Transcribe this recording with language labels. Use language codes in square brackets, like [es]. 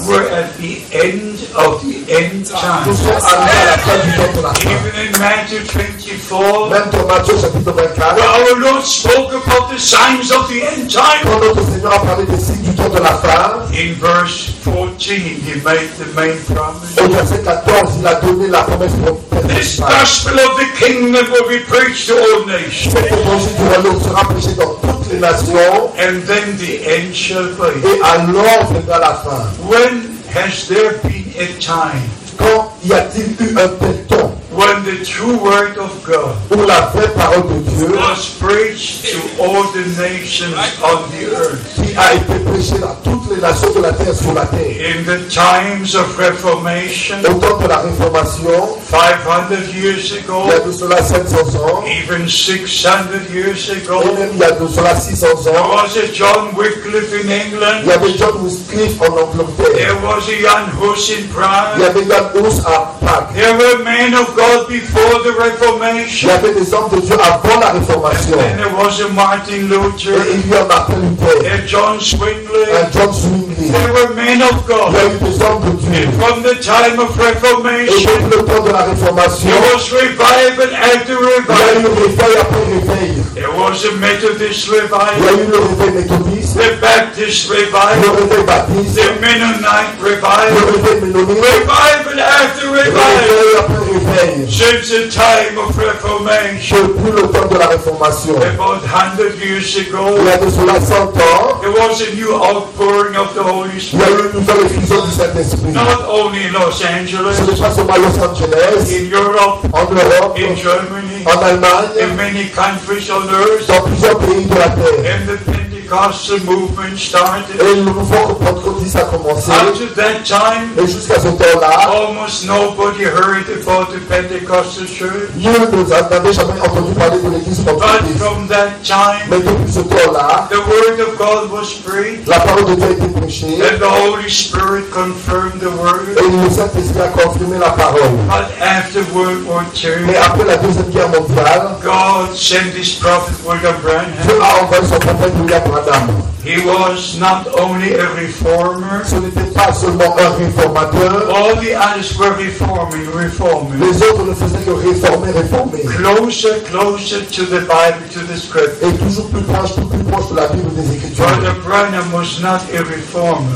[en] We're at the end of the end time. [fr] Nous sommes arrivés à la fin du temps de la fin. [en] Even in Matthew 24. [fr] Même dans Matthieu chapitre 24. [en] Where our Lord spoke about the signs of the end time. [fr] Quand notre Seigneur a parlé des signes du temps de la fin. [en] In verse 14. He made the main promise. [fr] Au verset 14, il a donné la promesse pour [en] this gospel of the kingdom will be preached to all nations. [fr] Cet évangile du royaume sera prêché dans toutes les nations. [en] And then the end shall be. [fr] Et alors viendra la fin. [en] When has there been a time? [fr] Quand y a-t-il eu un tel temps? [en] When the true word of God [fr] pour la vraie parole de Dieu [en] was preached to all the nations on the earth, [fr] qui a été prêché à toutes les nations de la terre sur la terre. [en] In the times of Reformation, [fr] au temps de la Réformation, [en] 500 years ago, [fr] il y a de cela 500 ans, [en] even 600 years ago, [fr] et même il y a de cela 600 ans, [en] there was a John Wycliffe in England, [fr] il y avait John Wycliffe en Angleterre, [en] there was a Jan Hus in Prague, [fr] il y avait Jan Hus à Prague. [en] There were men of God before the Reformation. [fr] Il y avait des hommes de Dieu avant la Réformation. [en] And there was a Martin Luther. [fr] Et il y a Martin Luther. [en] And John Zwingli. And John Zwingli. There were men of God. [fr] Il y a eu des hommes de Dieu. [en] And from the time of Reformation. [fr] Et depuis le temps de la Réformation. [en] There was revival after revival. [fr] Il y a eu réveil après réveil. [en] There was a Methodist revival. [fr] Il y a eu le réveil méthodiste. [en] The Baptist revival. [fr] Le réveil baptiste. [en] The Mennonite revival. [fr] Le réveil mennonite. [en] Revival after revival. [fr] Le réveil après réveil. [en] Since the time of Reformation, [fr] depuis le temps de la Réformation, [en] about 100 years ago, [fr] il y a de cela 100 ans, [en] there was a new outpouring of the Holy Spirit. [fr] Il y a eu une nouvelle effusion du Saint-Esprit. [en] Not only in Los Angeles, [fr] ce n'est pas seulement Los Angeles, [en] in Europe, [fr] en Europe, [en] in Germany, [fr] en Allemagne, [en] in many countries on earth, [fr] dans plusieurs pays de la terre. [en] And the Pentecostal movement started. [fr] Et le mouvement pentecôtiste a commencé. [en] Until that time, [fr] et jusqu'à ce temps-là, [en] almost nobody heard about the Pentecostal church. [fr] Nul n'avait jamais entendu parler de l'église pentecôtiste. [en] But from that time, [fr] mais depuis ce temps-là, [en] the word of God was preached. [fr] La parole de Dieu a été prêchée. [en] And the Holy Spirit confirmed the word. [fr] Et le Saint-Esprit a confirmé la parole. [en] But after World War II, [fr] mais après la Deuxième Guerre mondiale, [en] God sent His prophet William Branham. [fr] Dieu a envoyé son prophète William Branham. [en] He was not only a reformer. [fr] Ce n'était pas seulement un réformateur. [en] All the others were reforming, reforming. [fr] Les autres ne faisaient que réformer, réformer. [en] Closer, closer to the Bible, to the Scripture. [fr] Et toujours plus proche de la Bible et des Écritures. [en] Brother Branham was not a reformer.